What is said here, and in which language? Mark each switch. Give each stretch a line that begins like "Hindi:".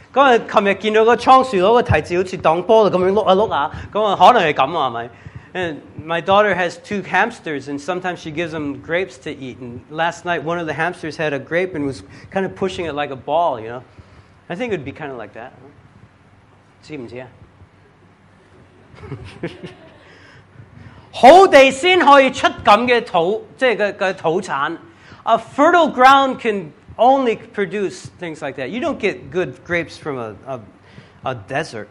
Cantonese: 咁啊，琴日見到個倉鼠攞個提子，好似當波咁樣碌下碌下，咁啊，可能係咁啊，係咪？
English: And my daughter has two hamsters, and sometimes she gives them grapes to eat. And last night, one of the hamsters had a grape and was kind of pushing it like a ball, you know. I think it would be kind of like that. See, Mzia?
Cantonese: 好地先可以出咁嘅土，即係個土產。
English: A fertile ground can only produce things like that. You don't get good grapes from a desert.